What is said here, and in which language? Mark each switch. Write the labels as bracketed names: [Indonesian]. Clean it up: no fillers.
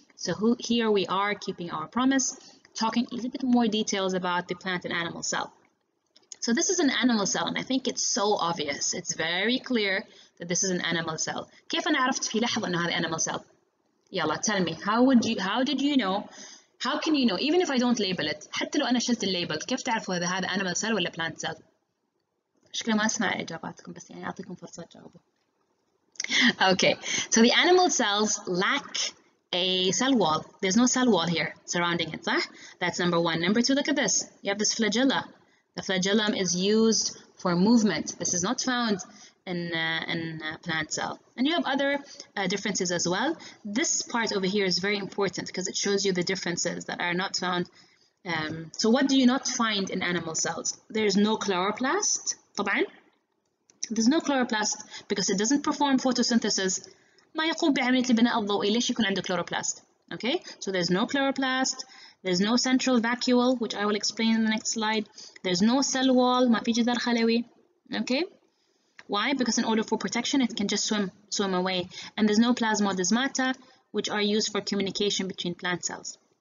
[English] So here we are, keeping our promise, talking a little bit more details about the plant and animal cell. So this is an animal cell, and I think it's so obvious. It's very clear that this is an animal cell. [Arabic] كيف أنا عرفت في لحظة أنه هذا animal cell؟ يلا, [English] tell me, how did you know? How can you know, even if I don't label it, [Arabic] حتى لو أنا شلت اللابل, كيف تعرفوا إذا هذا animal cell ولا plant cell؟ شكرا ما أسمع إجاباتكم, بس يعني أعطيكم فرصة تجاوبوا. [English] Okay, so the animal cells lack a cell wall. There's no cell wall here surrounding it, صح? That's number one. Number two, look at this. You have this flagella. The flagellum is used for movement. This is not found in plant cell. And you have other differences as well. This part over here is very important because it shows you the differences that are not found. So what do you not find in animal cells? There's no chloroplast. There's no chloroplast because it doesn't perform photosynthesis. [Arabic] ما يقوم بعملية البناء الضوئي. ليش يكون عنده chloroplast? [English] Okay, so there's no chloroplast. There's no central vacuole, which I will explain in the next slide. There's no cell wall, [Arabic] ما في جدار خلوي. [English] Okay? Why? Because in order for protection, it can just swim away. And there's no plasmodesmata, which are used for communication between plant cells.